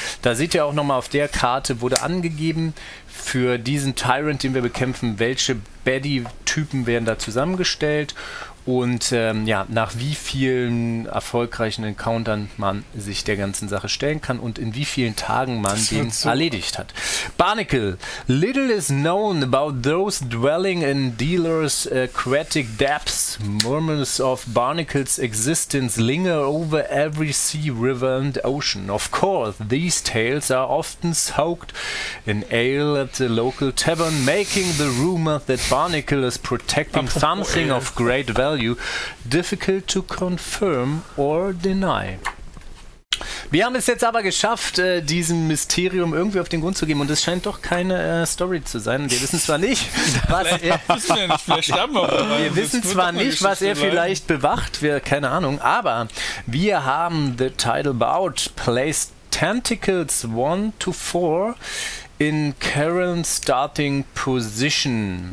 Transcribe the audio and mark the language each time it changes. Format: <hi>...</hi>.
<de>Da seht ihr auch nochmal auf der Karte, wurde angegeben für diesen Tyrant, den wir bekämpfen, welche Baddie-Typen werden da zusammengestellt und nach wie vielen erfolgreichen Encountern man sich der ganzen Sache stellen kann und in wie vielen Tagen man den erledigt hat.</de> <en>Barnacle, little is known about those dwelling in Dealer's aquatic depths. Murmurs of Barnacle's existence linger over every sea, river and ocean. Of course, these tales are often soaked in ale at the local tavern, making the rumor that Barnacle is protecting something of great value difficult to confirm or deny.</en> <de>Wir haben es jetzt aber geschafft, diesem Mysterium irgendwie auf den Grund zu gehen. Und es scheint doch keine Story zu sein. Wir wissen zwar nicht, was er. Wir wissen zwar nicht, was er vielleicht bewacht. Wir, keine Ahnung. Aber wir haben</de> <en>the title bout placed Tentacles 1-4 in current starting position.</en>